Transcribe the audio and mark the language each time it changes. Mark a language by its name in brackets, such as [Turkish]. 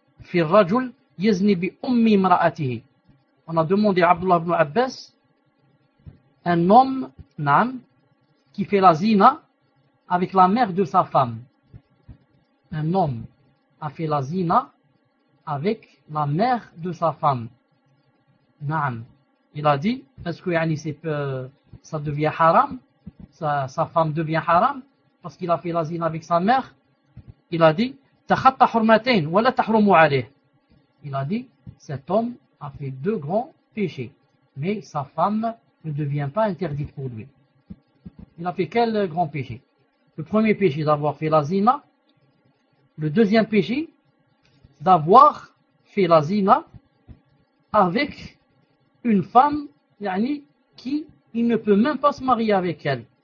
[Arabic] في الرجل يزني بأم امرأته. [French] On a demandé à Abdullah ibn Abbas, un homme, Naam, qui fait la zina avec la mère de sa femme. Un homme a fait la zina avec la mère de sa femme. Naam. Il a dit, est-ce que yani, ça devient haram? Sa femme devient haram parce qu'il a fait la zina avec sa mère? Il a dit, [Arabic] تخطى حرمتين ولا تحرموا عليه. [French] Il a dit, cet homme a fait deux grands péchés, mais sa femme ne devient pas interdite pour lui. Il a fait quel grand péché? Le premier péché, d'avoir fait la zina. Le deuxième péché, d'avoir fait la zina avec une femme yani, qui il ne peut même pas se marier avec elle.